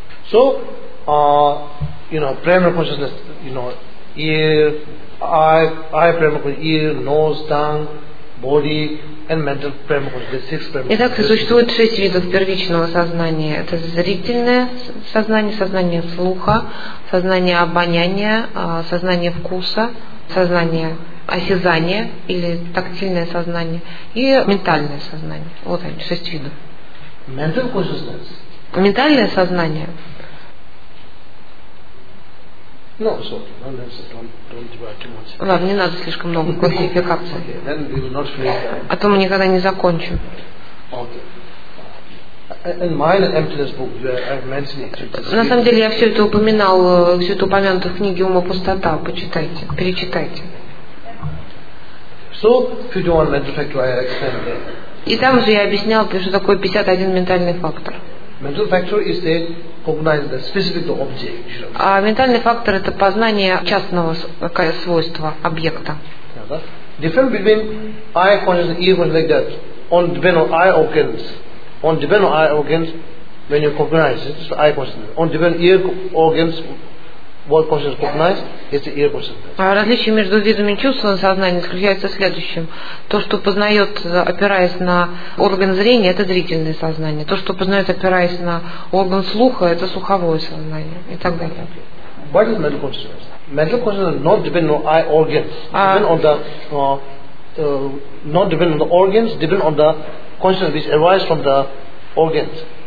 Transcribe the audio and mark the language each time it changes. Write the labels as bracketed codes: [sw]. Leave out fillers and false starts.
[en] So, you know, primary consciousness, you know, ear, eye primary consciousness, ear, nose, tongue, body, and mental primary consciousness, six primary consciousness. [ru] Итак, существует шесть видов первичного сознания. Это зрительное сознание, сознание слуха, сознание обоняния, сознание вкуса, сознание осязание или тактильное сознание и ментальное сознание. Вот они, шесть видов. [en] Mental consciousness. [ru] Ментальное сознание. [en] No, don't [ru] ладно, не надо слишком много классификации. [en] Okay, [ru] а то мы никогда не закончим. [en] Okay. And mine, emptiness book. I've mentioned it. [ru] На самом деле я все это упоминал, все это упомянуто в книге «Ума пустота». Почитайте, перечитайте. [en] So, 51 mental factor, I explained there. [ru] И там же я объяснял, что такое 51 ментальный фактор. [en] Mental factor is the cognizing the specific object. [ru] А ментальный фактор это познание частного свойства объекта. [en] Difference between eye consciousness, ear consciousness, like that, on depend on eye organs. on different eye organs when you cognize it, it's eye consciousness. On different ear organs, what consciousness cognize, it's the ear consciousness. [ru] А различие между видами чувств на сознании заключается в следующем. То, что познает, опираясь на орган зрения, это зрительное сознание. То, что познает, опираясь на орган слуха, это слуховое сознание и так далее. [en] What is mental consciousness? Mental consciousness not depend on eye organs, depend on the not depend on the organs, depend on the consciousness which arises from the organs.